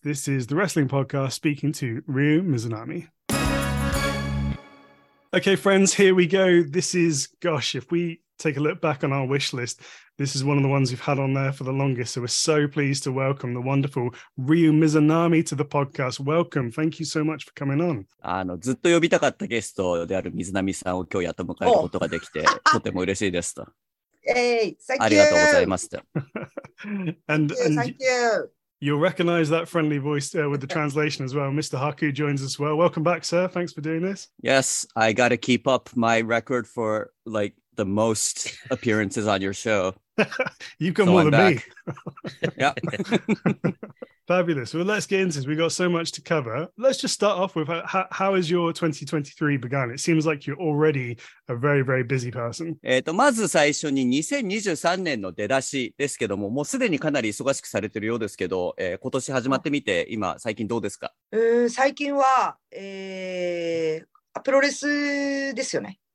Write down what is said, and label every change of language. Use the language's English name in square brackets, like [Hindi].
[English] This is the Wrstling Podcast speaking to Rio Mizunami. Okay, friends, here we go. This is, gosh, if we take a look back on our wish list, this is one of the ones we've had on there for the longest. So we're so pleased to welcome the wonderful Rio Mizunami to the podcast. Welcome. Thank you so much for coming on. [Japanese] ずっと呼びたかったゲストであるミズナミさんを今日やっと迎えることができて、とても嬉しいですと。 [English] Hey, thank you. You'll recognize that friendly voice with the translation as well. Mr. Haku joins as well. Welcome back, sir. Thanks for doing this. Yes, I got to keep up my record for like the most appearances on your show. You've got more than back. Me. Fabulous. Well, let's get into this. We've got so much to cover. Let's just start off with how has your 2023 begun? It seems like you're already a very, very busy person. [Japanese] まず最初に2023年の出だしですけども、もうすでにかなり忙しくされてるようですけど、今年始まってみて、今最近どうですか？最近は、プロレスですよね。